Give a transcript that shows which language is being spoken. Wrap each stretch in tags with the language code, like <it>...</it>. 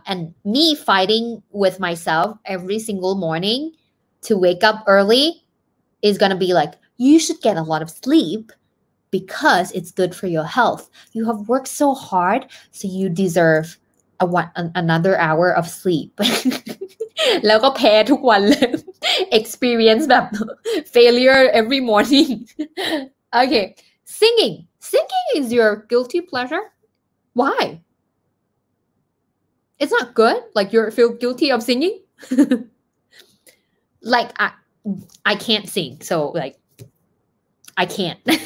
<en>And me fighting with myself every single morning to wake up early is gonna be like, you should get a lot of sleep. Because it's good for your health. You have worked so hard, so you deserve another hour of sleep.</en> <th>แล้วก็แพ้ทุกวันเลย experience แบบ</th> <en>failure every morning. Okay, singing is your guilty pleasure. Why? It's not good. Like you feel guilty of singing. Like I can't sing, so like. I can't.</en>